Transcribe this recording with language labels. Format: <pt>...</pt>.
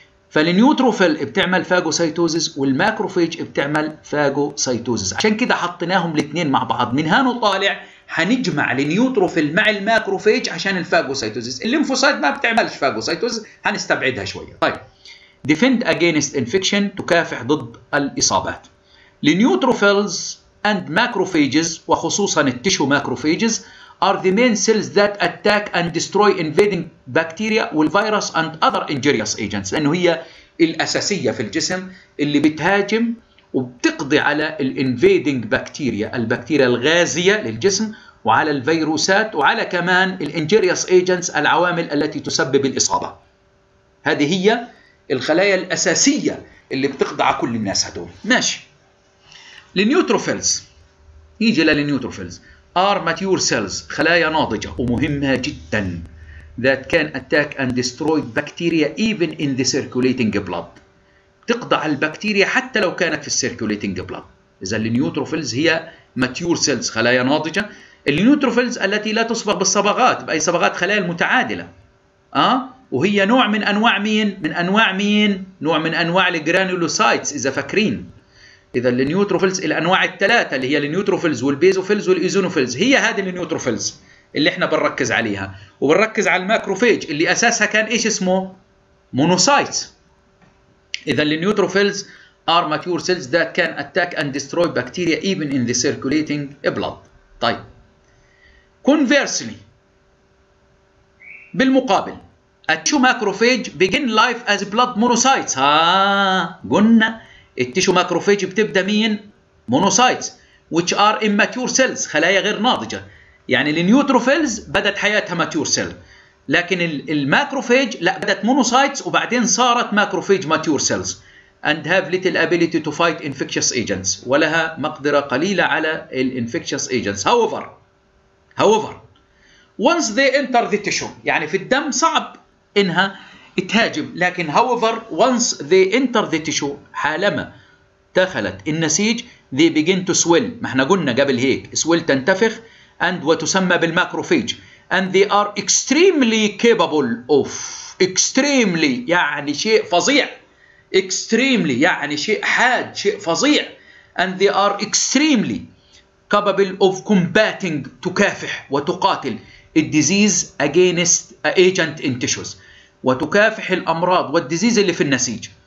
<ar>فالنيوتروفيل بتعمل فاجوسيتوزيس، والماكروفيج بتعمل فاجوسيتوزيس، عشان كده حطيناهم الاثنين مع بعض. من هنا طالع هنجمع النيوتروفيل مع الماكروفيج عشان الفاجوسيتوزيس. الليمفوسايت ما بتعملش فاجوسيتوزيس، هنستبعدها شويه. طيب ديفند اجينست انفيكشن، تكافح ضد الاصابات. النيوتروفيلز اند ماكروفيجز، وخصوصا التشو ماكروفيجز،</ar> <en>are the main cells that attack and destroy invading bacteria and virus and other injurious agents.</en> <ar>لأنه هي الأساسية في الجسم اللي بتهاجم وبتقضي على ال</ar> <en>invading bacteria،</en> <ar>البكتيريا الغازية للجسم، وعلى الفيروسات، وعلى كمان ال</ar> <en>injurious agents،</en> <ar>العوامل التي تسبب الإصابة. هذه هي الخلايا الأساسية اللي بتقضي على كل الناس هدول. ماشي، النيوتروفيلز، نيجي للنيوتروفيلز.</ar> <en>Are mature cells،</en> <ar>خلايا ناضجة ومهمة جدا،</ar> <en>that can attack and destroy bacteria even in the circulating blood،</en> <ar>تقضى على البكتيريا حتى لو كانت في</ar> <en>circulating blood.</en> <ar>إذا النيوتروفيلز هي</ar> <en>mature cells،</en> <ar>خلايا ناضجة. النيوتروفيلز التي لا تصبغ بالصبغات، بأي صبغات، خلايا متعادلة. وهي نوع من أنواع مين؟ من أنواع مين؟ نوع من أنواع الجرانولوسايتس، إذا فاكرين. إذا النيوتروفيلز الأنواع الثلاثة اللي هي النيوتروفيلز والبيزوفيلز والإيزونوفيلز، هي هذه النيوتروفيلز اللي احنا بنركز عليها، وبنركز على الماكروفيج اللي أساسها كان إيش اسمه؟ مونوسايت. إذا النيوتروفيلز</ar> <en>are mature cells that can attack and destroy bacteria even in the circulating blood. طيب conversely، بالمقابل، التشو macrophage begin life as blood monocytes.</en> <ar>قلنا التشو ماكروفيج بتبدا مين؟ مونوسايتس،</ar> <en>which are immature cells،</en> <ar>خلايا غير ناضجه. يعني النيوتروفيلز بدت حياتها ماتور سيل، لكن الماكروفاج لا، بدأت مونوسايتس وبعدين صارت ماكروفاج ماتور سيلز</ar> <en>and have little ability to fight infectious agents،</en> <ar>ولها مقدرة قليلة على الانفكتشس ايجنتس.</ar> <en>However once they enter the tissue،</en> <ar>يعني في الدم صعب انها تهاجم، لكن</ar> <en>however once they enter the tissue،</en> <ar>حالما دخلت النسيج</ar> <en>they begin to swell.</en> <ar>ما احنا قلنا قبل هيك swell تنتفخ and وتسمى بالماكروفيج،</ar> <en>and they are extremely capable of extremely،</en> <ar>يعني شيء فظيع، extremely يعني شيء حاد، شيء فظيع،</ar> <en>and they are extremely capable of combating،</en> <ar>تكافح وتقاتل</ar> <en>disease against agent in tissues،</en> <ar>وتكافح الأمراض والديزيز اللي في النسيج.</ar>